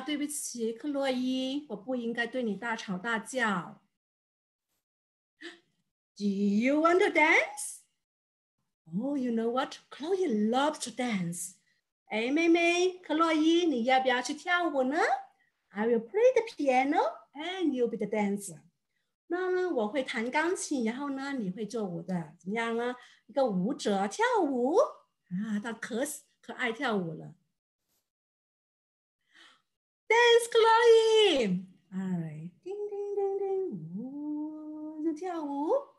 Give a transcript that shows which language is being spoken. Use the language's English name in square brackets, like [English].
[Chinese] 对不起，克洛伊，我不应该对你大吵大叫。 [English] Do you want to dance? Oh, you know what? Chloe loves to dance. [Chinese] 哎，妹妹，克洛伊，你要不要去跳舞呢？ [English] I will play the piano and you'll be the dancer. [Chinese] 那呢，我会弹钢琴，然后呢，你会做我的，怎么样呢？一个舞者跳舞。啊，他可爱跳舞了。 [English] Dance, Chloe. All right, ding ding ding ding, [Chinese] 舞就跳舞。